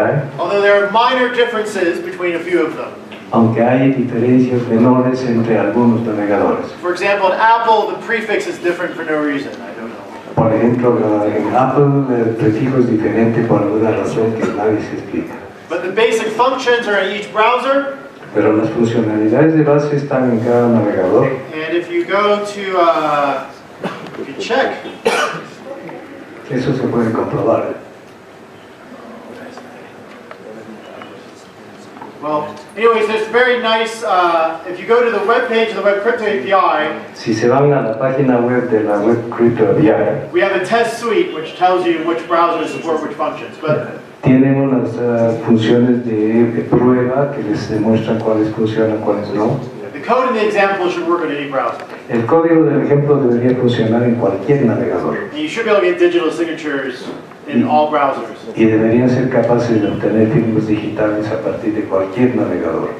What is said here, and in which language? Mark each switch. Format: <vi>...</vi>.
<en>Although there are minor differences between a few of them.</en> <es>Aunque hay diferencias menores entre algunos navegadores.</es> <en>For example, in Apple, the prefix is different for no reason. I don't know.</en> <es>Por ejemplo, en Apple el prefijo es diferente por alguna razón que nadie se explica.</es> <en>But the basic functions are in each browser.</en> <es>Pero las funcionalidades de base están en cada navegador.</es> <en>And if you go to, if you check.</en> <es>Eso se puede comprobar.</es> <en>Well, anyways, there's very nice, if you go to the web page of the WebCrypto API.</en> <es>Si se van a la página web de la WebCrypto API.</es> <en>We have a test suite which tells you which browsers support which functions, but.</en> <es>Tienen unas funciones de prueba que les demuestran cuáles funcionan, cuáles no.</es> <en>The code in the example should work on any browser.</en> <es>El código del ejemplo debería funcionar en cualquier navegador.</es> <en>You should be able to get digital signatures in all browsers.</en> <es>Y deberían ser capaces de obtener firmas digitales a partir de cualquier navegador.</es>